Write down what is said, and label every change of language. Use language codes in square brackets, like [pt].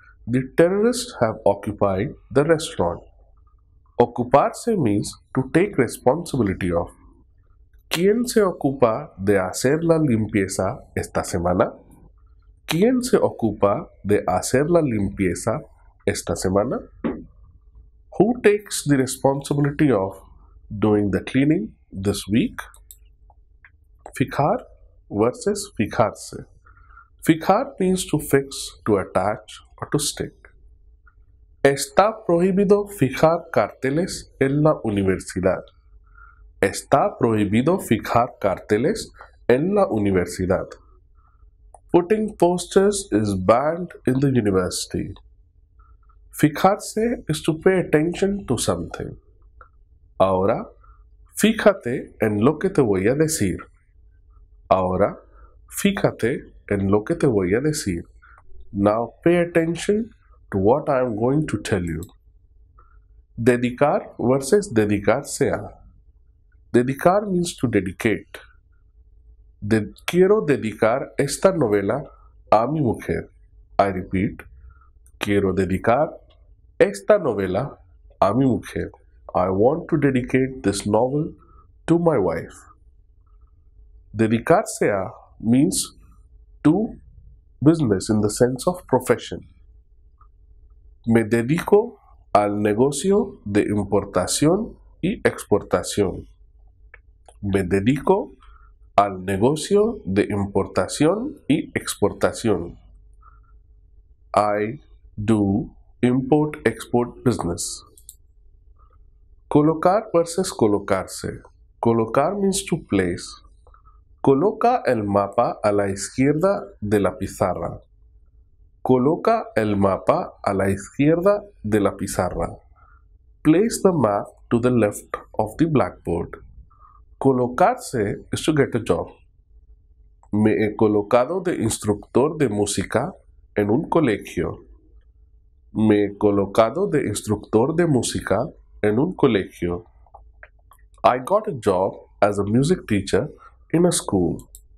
[en] The terrorists have occupied the restaurant. Ocuparse means to take responsibility of. [es] ¿Quién se ocupa de hacer la limpieza esta semana? ¿Quién se ocupa de hacer la limpieza esta semana? [en] Who takes the responsibility of doing the cleaning this week? Fijar versus fijarse. Fijar means to fix, to attach, or to stick. [es] Está prohibido fijar carteles en la universidad. Está prohibido fijar carteles en la universidad. [en] Putting posters is banned in the university. Fijarse is to pay attention to something. [es] Ahora, fíjate en lo que te voy a decir. Ahora, fíjate en lo que te voy a decir. [en] Now pay attention to what I am going to tell you. Dedicar versus dedicarse a. Dedicar means to dedicate. [es] Quiero dedicar esta novela a mi mujer. [en] I repeat, [es] quiero dedicar esta novela a mi mujer. [en] I want to dedicate this novel to my wife. Dedicarse a means to business in the sense of profession. [es] Me dedico al negocio de importación y exportación. Me dedico al negocio de importación y exportación. [en] I do import-export business. Colocar versus colocarse. Colocar means to place. [es] Coloca el mapa a la izquierda de la pizarra. Coloca el mapa a la izquierda de la pizarra. [en] Place the map to the left of the blackboard. Colocarse is to get a job. [es] Me he colocado de instructor de música en un colegio. Me he colocado de instructor de música en un colegio. [en] I got a job as a music teacher in a school.